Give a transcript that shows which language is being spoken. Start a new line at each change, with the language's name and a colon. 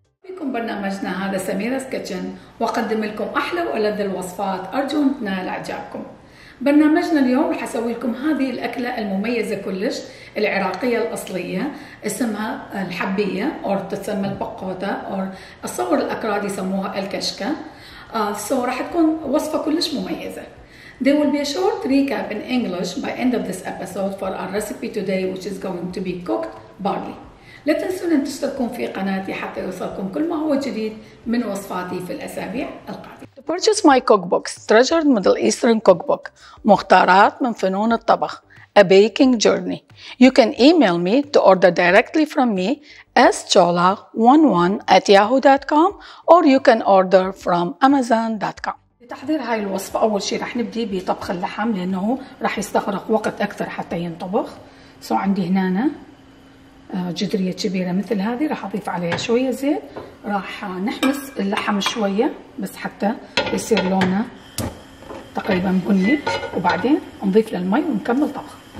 Arabic: بكم برنامجنا هذا سميرز كيتشن وقدم لكم احلى والذ الوصفات، ارجو ان تنال اعجابكم. برنامجنا اليوم رح اسوي لكم هذه الاكله المميزه كلش العراقيه الاصليه، اسمها الحبيه او تسمى البقوتا او الصور الاكراد يسموها الكشكه. رح تكون وصفه كلش مميزه.
English: There will be a short recap in English by end of this episode for our recipe today which is going to be cooked barley.
Arabic: لا تنسون أن تشتركون في قناتي حتى يوصلكم كل ما هو جديد من وصفاتي في الأسابيع القادمة.
English: To purchase my cookbooks, Treasured Middle Eastern Cookbook, مختارات من فنون الطبخ, A Baking Journey, you can email me to order directly from me schola11@yahoo.com or you can order from amazon.com.
Arabic: لتحضير هاي الوصفة أول شيء رح نبدي بطبخ اللحم لأنه رح يستغرق وقت أكثر حتى ينطبخ. سو عندي هنا جدرية كبيرة مثل هذه، راح أضيف عليها شوية زيت، راح نحمس اللحم شوية بس حتى يصير لونه تقريبا بني، وبعدين نضيف للمي ونكمل طبخ.